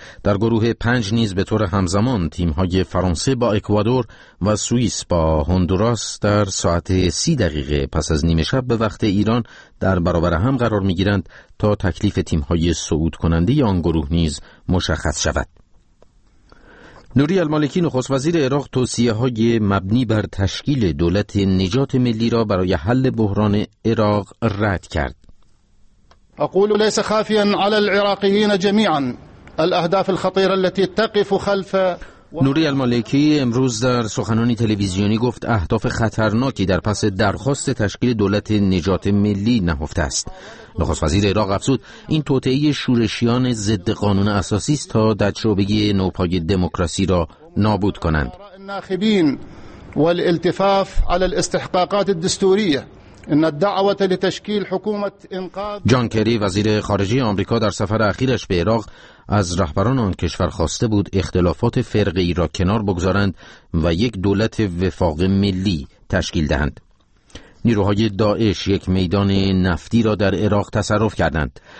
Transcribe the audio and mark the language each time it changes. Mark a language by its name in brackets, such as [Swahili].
[Persian] در گروه 5 نیز به طور همزمان تیم‌های فرانسه با اکوادور و سوئیس با هندوراس در ساعت 30 دقیقه پس از نیمه شب به وقت ایران در برابر هم قرار می‌گیرند تا تکلیف تیم‌های صعود کننده آن گروه نیز مشخص شود. نوری المالکی نخست وزیر عراق توصیه‌های مبنی بر تشکیل دولت نجات ملی را برای حل بحران عراق رد کرد. [Arabic] اقول ليس خافيا على العراقيين جميعا الاهداف الخطيره التي تقف خلف [Persian] نوری المالکی امروز در سخنانی تلویزیونی گفت اهداف خطرناکی در پس درخواست تشکیل دولت نجات ملی نهفته است. نخست وزیر عراق افزود این توطئه شورشیان ضد قانون اساسی است تا دجربگی نوپای دموکراسی را نابود کنند. [Arabic] ناخبین والالتفاف على الاستحقاقات الدستوريه ان الدعوه لتشكيل حكومه انقاذ [Persian] جان کری وزیر خارجه آمریکا در سفر اخیرش به عراق از رهبران آن کشور خواسته بود اختلافات فرقه‌ای را کنار بگذارند و یک دولت وفاق ملی تشکیل دهند. نیروهای داعش 1 میدان نفتی را در عراق تصرف کردند.